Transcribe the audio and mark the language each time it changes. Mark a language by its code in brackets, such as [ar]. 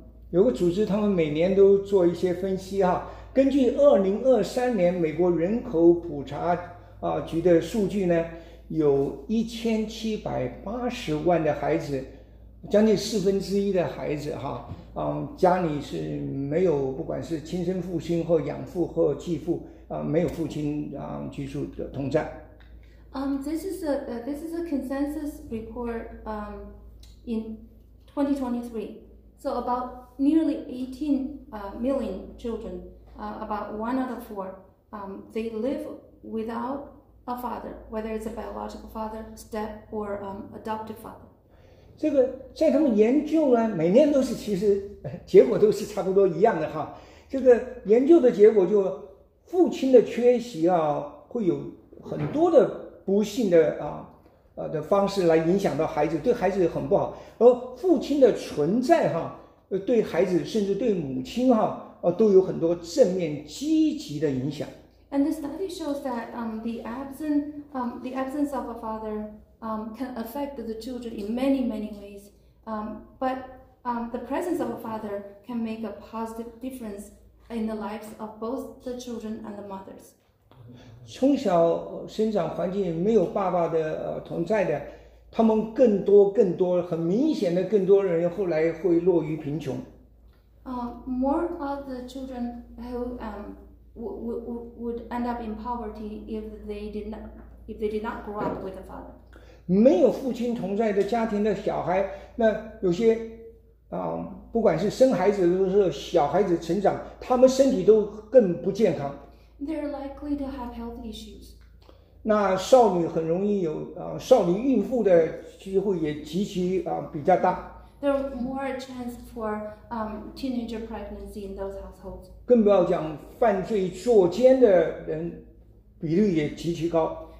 [zh] 有个组织他们每年都做一些分析，根据2023年美国人口普查局的数据呢，有1780万的孩子，将近四分之一的孩子，家里是没有不管是亲生父亲或养父或继父，没有父亲居住的同在。 [en] This is a consensus report in 2023. So about nearly 18 million children, about one out of four, they live without a father, whether it's a biological father, step or adoptive father. [zh] 这个在他们研究呢，每年都是其实结果都是差不多一样的。这个研究的结果就父亲的缺席，会有很多的不幸的的方式来影响到孩子，对孩子很不好。而父亲的存在，对孩子甚至对母亲，都有很多正面积极的影响。 [en] And the study shows that the absence of a father can affect the children in many, many ways. But the presence of a father can make a positive difference in the lives of both the children and the mothers. [zh] 从小生长环境没有爸爸的同在的，他们更多，很明显的更多人后来会落于贫穷。 [en] More of the children who would end up in poverty if they did not grow up with a father. [zh] 没有父亲同在的家庭的小孩，那有些不管是生孩子或是小孩子成长，他们身体都更不健康。 [en] They're likely to have health issues. [zh] 那少女很容易有少女孕妇的机会也极其比较大。 [en] There are more chance for teenager pregnancy in those households. [zh] 更不要讲犯罪作奸的人比率也极其高。